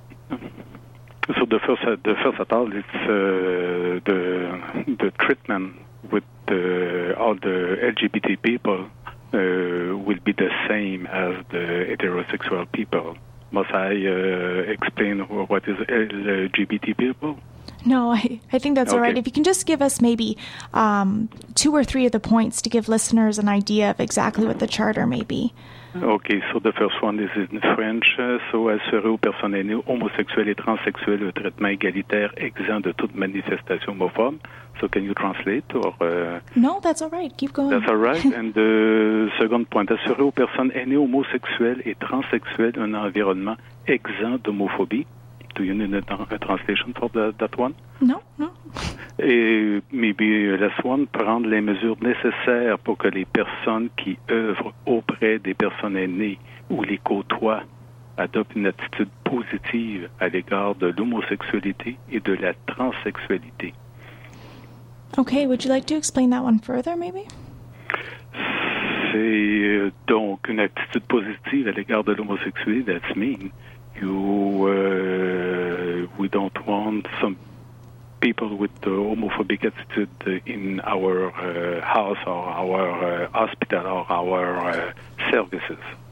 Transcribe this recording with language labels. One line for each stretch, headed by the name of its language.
English: So the first at all, it's the treatment with all the LGBT people will be the same as the heterosexual people. Must I explain what is LGBT people? No, I think that's okay. All right. If you can just give us maybe two or three of the points to give listeners an idea of exactly what the charter may be. Okay, so the first one is in French.
French: So, assurer aux personnes aînées, homosexuelles et transsexuelles le traitement égalitaire exempt de toute manifestation homophobe.
English: So, can you translate? Or, no, that's all right. Keep going. That's all right. And the second point,
French: assurer aux personnes aînées, homosexuelles et transsexuelles un environnement exempt d'homophobie.
English: Do you need a translation for that one? No.
French: Et
English: maybe last one,
French: prendre les mesures nécessaires pour que les personnes qui œuvrent auprès des personnes aînées ou les côtoient adoptent une attitude positive à l'égard de l'homosexualité et de la transsexualité.
English: Okay, would you like to explain that one further, maybe?
French: C'est donc une attitude positive à l'égard de l'homosexualité,
English: that's mean. We don't want some people with homophobic attitude in our house or our hospital or our services.